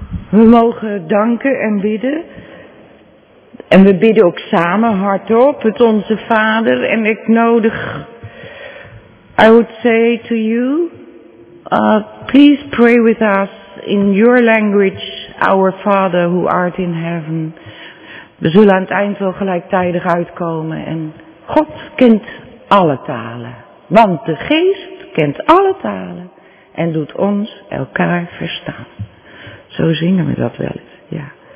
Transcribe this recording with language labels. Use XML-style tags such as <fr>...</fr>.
<nl>We mogen danken en bidden. En we bidden ook samen hardop het Onze Vader.</nl> <en>En ik nodig, I would say to you, please pray with us in your language, our Father who art in heaven.</en> <nl>We zullen aan het eind wel gelijktijdig uitkomen. En God kent alle talen. Want de Geest kent alle talen en doet ons elkaar verstaan. Zo zingen we dat wel eens, ja.</nl>